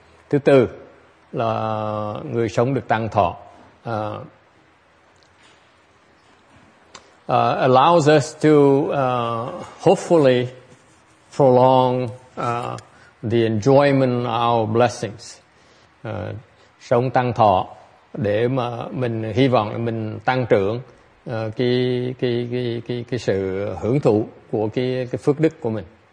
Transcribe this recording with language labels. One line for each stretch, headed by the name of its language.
Vietnamese: Thứ tư là người sống được tăng thọ.
English: Allows us to hopefully prolong the enjoyment of our blessings.
Vietnamese: Sống tăng thọ để mà mình hy vọng mình tăng trưởng cái sự hưởng thụ của cái phước đức của mình.